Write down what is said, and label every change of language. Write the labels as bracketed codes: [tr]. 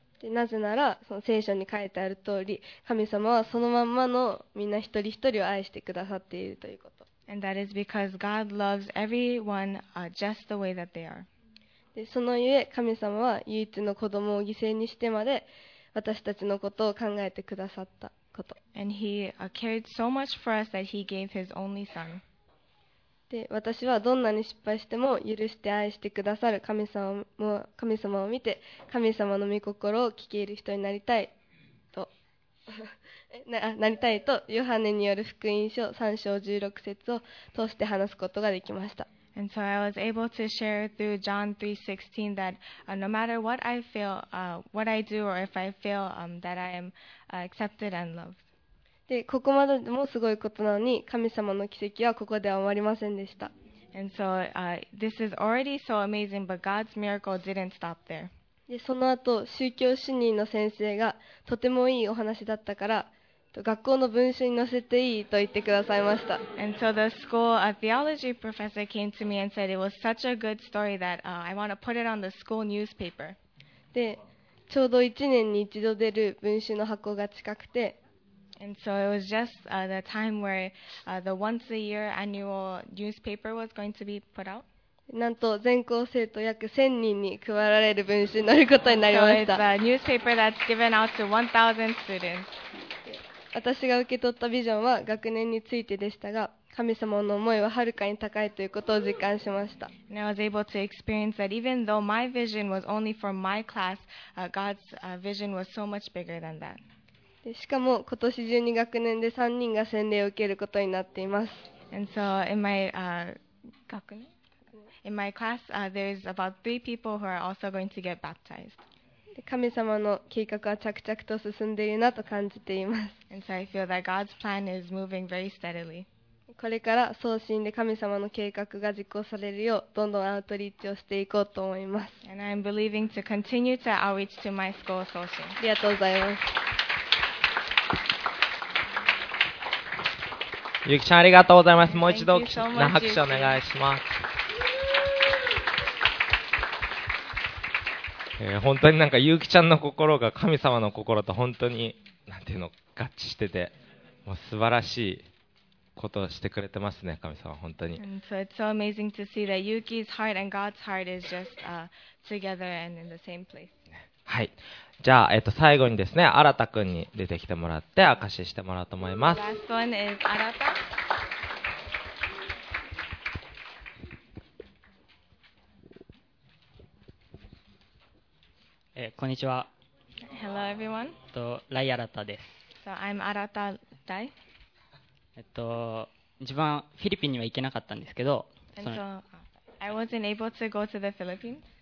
[ja] でなぜならその聖書に書いてある通り神様はそのまんまのみんな一人一人を愛してくださっているということ [en] And that is because God loves everyone, just the way that they are. [ja] でそのゆえ神様は唯一の子供を犠牲にしてまで私たちのことを考えてくださったこと [en] And he cared so much for us that he gave his only son. [ja] で私はどんなに失敗しても許して愛してくださる神様を見て神様の御心を聞ける人になりたいとなりたいとヨハネによる福音書3章16節を通して話すことができました。 [en] And so I was able to share through John 3:16 that no matter what I feel, what I do, or if I feel that I am accepted and loved. [ja] で、ここまででもすごいことなのに、神様の奇跡はここでは終わりませんでした。 [en] And so this is already so amazing, but God's miracle didn't stop there. [ja] で、その後宗教主任の先生がとてもいいお話だったから。学校の文書に載せていいと言ってくださいました。 [en] And so the school theology professor came to me and said it was such a good story that I want to put it on the school newspaper. [ja] で、ちょうど1年に1度出る文書の箱が近くて。 [en] And so it was just the time where the once a year annual newspaper was going to be put out. [ja] なんと全校生徒約1000人に配られる文書に載ることになりました。 [en] So it's a newspaper that's given out to 1,000 students. [ja] 私が受け取ったビジョンは学年についてでしたが神様の思いははるかに高いということを実感しました [en] And I was able to experience that even though my vision was only for my class God's vision was so much bigger than that [ja] でしかも今年中に学年で3人が洗礼を受けることになっています [en] And so in my 学年 In my class there is about 3 people who are also going to get baptized [ja] 神様の計画は着々と進んでいるなと感じています。 [en] And so I feel that God's plan is moving very steadily. [ja] これから送信で神様の計画が実行されるようどんどんアウトリーチをしていこうと思います。 [en] And I'm believing to continue to outreach to my school 送信。 [ja] ありがとうございます。ゆきちゃんありがとうございます。もう一度大きな拍手をお願いします。本当になんかゆうきちゃんの心が神様の心と本当になんていうの合致しててもう素晴らしいことをしてくれてますね神様本当に [en] And so it's so amazing to see that Yuki's heart and God's heart is just together and in the same place [ja] はいじゃあ、最後にですね新田くんに出てきてもらって証ししてもらおうと思います [en] Last one is 新田 [ja] こんにちは。 [en] Hello everyone. [ja] ライアラタです。 [en] So I'm Arata Dai. [ja] 自分はフィリピンには行けなかったんですけど、 [en] And so I wasn't able to go to the Philippines.